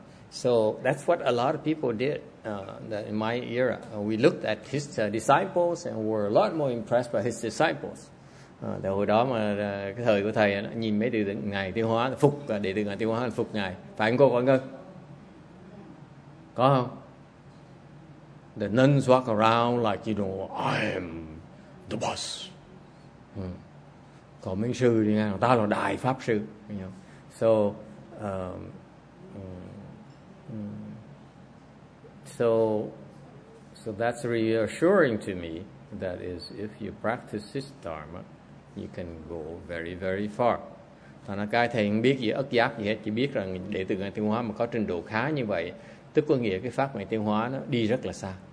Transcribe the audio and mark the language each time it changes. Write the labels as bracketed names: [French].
[English] So that's what a lot of people did in my era. We looked at his disciples and were a lot more impressed by his disciples. [Vietnamese] Đó hồi đó mà cái thời của thầy nó nhìn mấy đệ tử ngài Tiêu Hóa phục, đệ tử ngài Tiêu Hóa phục ngài. Phải không cô Quảng Ngân? Có không? [English] The nuns walk around like, you know, I am the boss. [Vietnamese] Còn mấy sư đi ngang, ta là đại pháp sư. [English] So that's reassuring to me. That is, if you practice this dharma, you can go very very far. [Vietnamese] Thành ra cái thầy không biết gì ức giác gì hết, chỉ biết rằng đệ tử Ngài Tịnh Hóa mà có trình độ khá như vậy, tức có nghĩa cái pháp Ngài Tịnh Hóa nó đi rất là xa.